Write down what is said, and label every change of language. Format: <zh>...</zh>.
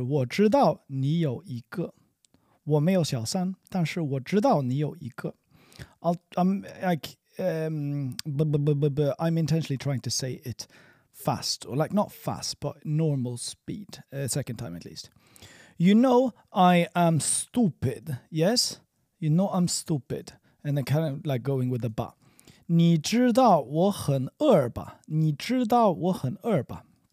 <zh>我没有小三，但是我知道你有一个.我没有小三，但是我知道你有一个.</zh> <en>I'm intentionally trying to say it fast, or like not fast, but normal speed, second time at least. You know I am stupid, yes? You know I'm stupid. And then kind of like going with the ba.</en> <zh>你知道我很饿吧?你知道我很饿吧?</zh>